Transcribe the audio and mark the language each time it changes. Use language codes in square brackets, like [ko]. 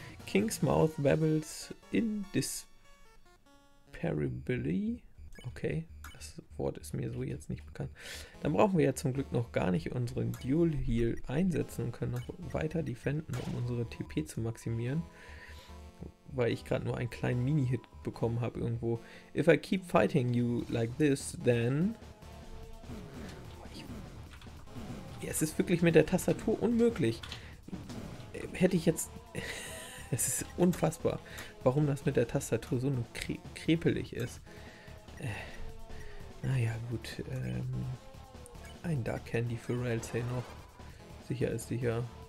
[en] King's Mouth babbles in disparably. [de] Okay, das Wort ist mir so jetzt nicht bekannt. Dann brauchen wir ja zum Glück noch gar nicht unseren Dual Heal einsetzen und können noch weiter defenden, um unsere TP zu maximieren. Weil ich gerade nur einen kleinen Mini-Hit bekommen habe irgendwo. [en] If I keep fighting you like this, then... [de] Ja, es ist wirklich mit der Tastatur unmöglich. Hätte ich jetzt... Es ist unfassbar, warum das mit der Tastatur so nur krepelig ist. Naja, gut. Ein Dark Candy für Railsay noch. Sicher ist sicher.